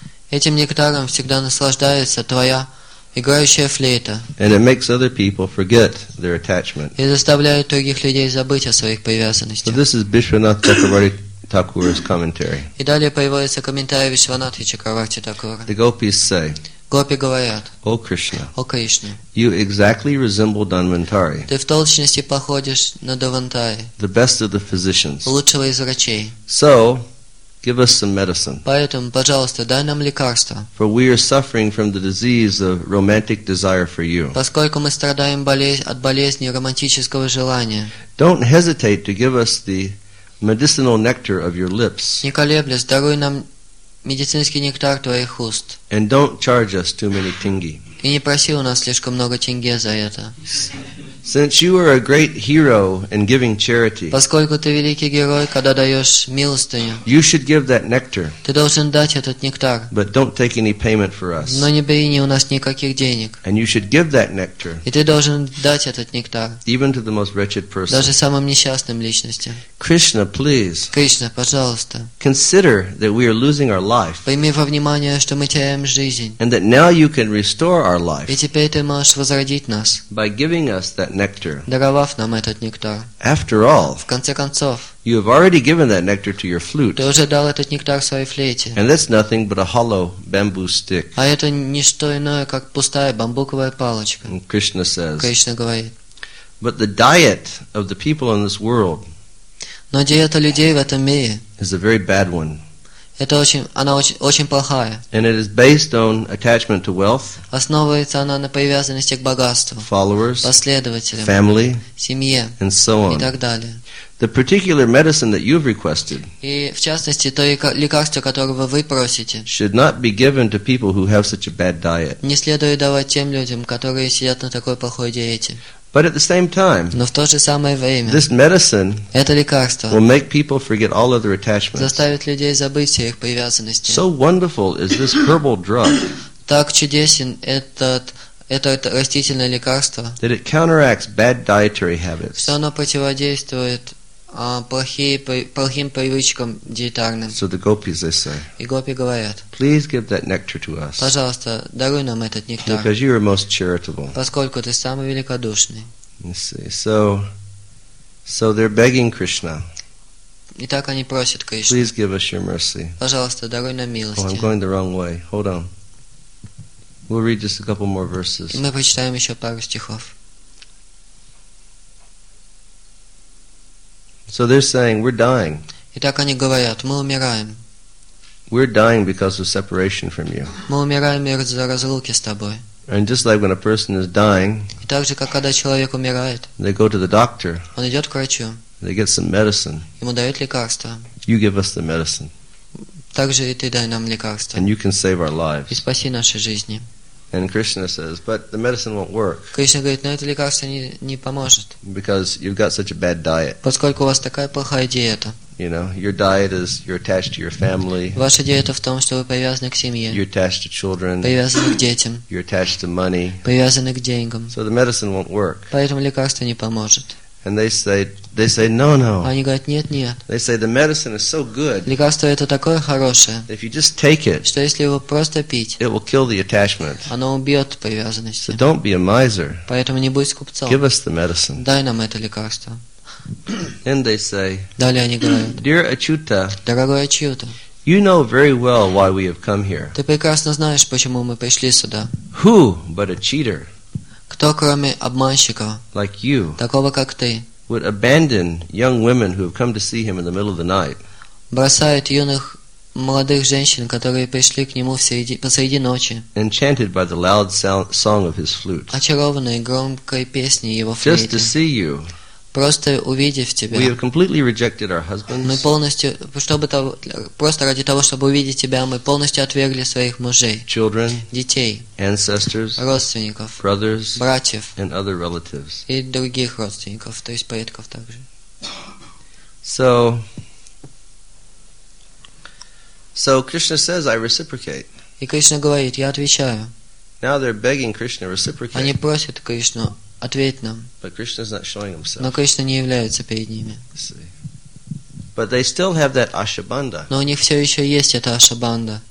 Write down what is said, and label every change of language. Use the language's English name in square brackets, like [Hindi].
[Russian] Этим нектаром всегда наслаждается твоя играющая флейта. [English] And it makes other people forget their attachment. [Russian] И заставляет других людей забыть о своих привязанностях. [English] So this is Vishwanath Chakravarti Thakur's commentary. [Russian] И далее появляется комментарий Вишванатхи Чакраварти Такура. [English] The gopis say, [Russian] гопи говорят, О Кришна, о Кришна, [English] you exactly resemble Dhanvantari. [Russian] Ты в точности походишь на Дханвантари. [English] The best of the physicians. [Russian] Лучшего из врачей. [English] So, give us some medicine. [Russian] Поэтому, пожалуйста, дай нам лекарство. [English] For we are suffering from the disease of romantic desire for you. [Russian] Поскольку мы страдаем от болезни романтического желания. [English] Don't hesitate to give us the medicinal nectar of your lips. [Russian] Не колеблясь, даруй нам медицинский нектар твоих уст. [English] And don't charge us too many тенге. [Russian] И не проси у нас слишком много тенге за это. [English] Since you are a great hero in giving charity, [Russian] поскольку ты великий герой, когда даешь милостыню, [English] you should give that nectar. [Russian] Ты должен дать этот нектар. [English] But don't take any payment for us. [Russian] Но не бери ни у нас никаких денег. [English] And you should give that nectar. [Russian] И ты должен дать этот нектар. [English] Even to the most wretched person. [Russian] Даже самым несчастным личностям. [English] Krishna, please. [Russian] Кришна, пожалуйста. [English] Consider that we are losing our life. [Russian] Прими во внимание, что мы теряем жизнь. [English] And that now you can restore our life. [Russian] И теперь ты можешь возродить нас. [English] By giving us that nectar. [Russian] Даровав нам этот нектар. [English] After all, [Russian] в конце концов, [English] you have already given that nectar to your flute. [Russian] Ты уже дал этот нектар своей флейте. [English] And that's nothing but a hollow bamboo stick. [Russian] А это не что иное, как пустая бамбуковая палочка. [English] And Krishna says, [Russian] Кришна говорит, [English] but the diet of the people in this world, [Russian] но диета людей в этом мире, [English] is a very bad one. [Russian] Это очень, она очень, очень плохая. [English] And it is based on attachment to wealth, [Russian] основывается она на привязанности к богатству, [English] followers, [Russian] последователям, [English] family, [Russian] семье, [English] and so on. [Russian] И так далее. [English] The particular medicine that you've requested, [Russian] и в частности, то лекарство, которого вы просите, [English] should not be given to people who have such a bad diet. [Russian] Не следует давать тем людям, которые сидят на такой плохой диете. [English] But at the same time, [Russian] но в то же самое время, [English] this medicine, [Russian] это лекарство, [English] will make people forget all other attachments. [Russian] Заставит людей забыть все их привязанности. [English] So wonderful is this herbal drug. [Russian] Так чудесен это растительное лекарство. [English] That it counteracts bad dietary habits. [Russian] Что оно противодействует плохим привычкам диетарным. [English] So the gopis, they say, [Russian] и гопи говорят, [English] please give that nectar to us. [Russian] Пожалуйста, даруй нам этот нектар. [English] Because you are most charitable. [Russian] Поскольку ты самый великодушный. [English] You see. So they're begging Krishna. [Russian] И так они просят Кришну. [English] Please give us your mercy. [Russian] Пожалуйста, даруй нам милости. [English] Oh, I'm going the wrong way. Hold on. We'll read just a couple more verses. [Russian] И мы прочитаем еще пару стихов. [English] So they're saying, we're dying. [Russian] Итак, они говорят, мы умираем. [English] We're dying because of separation from you. [Russian] Мы умираем из-за разлуки с тобой. [English] And just like when a person is dying, [Russian] и так же, как когда человек умирает, [English] they go to the doctor. [Russian] Он идет к врачу. [English] They get some medicine. [Russian] Ему дают лекарство. [English] You give us the medicine. [Russian] Так же и ты дай нам лекарство. [English] And you can save our lives. [Russian] И спаси наши жизни. [English] And Krishna says, but the medicine won't work. [Russian] Кришна говорит, но это лекарство не поможет. [English] Because you've got such a bad diet. [Russian] Поскольку у вас такая плохая диета. [English] You know, your diet is you're attached to your family. [Russian] Ваша диета в том, что вы привязаны к семье. [English] You're attached to children. [Russian] Привязаны к детям. [English] You're attached to money. [Russian] Привязаны к деньгам. [English] So the medicine won't work. [Russian] Поэтому лекарство не поможет. [English] And they say no, no. [Russian] Они говорят нет, нет. [English] They say the medicine is so good. [Russian] Лекарство это такое хорошее. [English] If you just take it, [Russian] что если его просто пить, [English] it will kill the attachment. [Russian] Оно убьет привязанность. [English] So don't be a miser. [Russian] Поэтому не будь скупцом. [English] Give us the medicine. [Russian] Дай нам это лекарство. [English] Then they say, [Russian] далее они говорят, [English] dear Achyuta, [Russian] дорогой Ачьюта, [English] you know very well why we have come here. [Russian] Ты прекрасно знаешь, почему мы пришли сюда. [English] Who but a cheater? [Russian] Кто, кроме обманщика, [English] like you, [Russian] такого как ты, [English] would abandon young women who have come to see him in the middle of the night? [Russian] Бросает юных молодых женщин, которые пришли к нему посреди ночи. [English] Enchanted by the loud song of his flute. [Russian] Очарованные громкой песней его флейты. [English] Just to see you. [Russian] Просто увидев тебя. [English] We have completely rejected our husbands. [Russian] Мы полностью, чтобы просто ради того, чтобы увидеть тебя, мы полностью отвергли своих мужей. [English] Children. [Russian] Детей. [English] Ancestors. [Russian] Родственников. [English] Brothers. [Russian] Братьев. [English] And other relatives. [Russian] И других родственников, то есть предков также. [English] So Krishna says, I reciprocate. [Russian] И Кришна говорит, я отвечаю. [English] Now they're begging Krishna reciprocate. [Russian] Они просят Кришну. Ответь нам. [English] But Krishna is not showing himself. [Russian] Но Кришна не является перед ними. [English] But they still have that ashabanda. [Russian] Но у них все еще есть эта ашабанда.